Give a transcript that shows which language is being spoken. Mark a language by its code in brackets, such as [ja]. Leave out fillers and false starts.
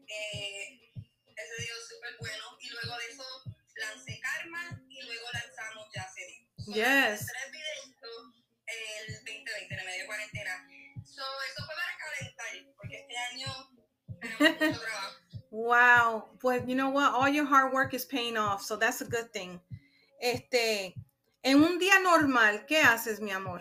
[es] Ese dio súper bueno. Y luego de eso lancé Karma y luego lanzamos Ya Se Dio. [en] Yes. [es] 3 videos el 2020, en medio de cuarentena. So, eso fue para calentar, porque este año tenemos mucho trabajo. [en] Wow. Pues, you know what? All your hard work is paying off, so that's a good thing. [es] En un día normal, ¿qué haces, mi amor?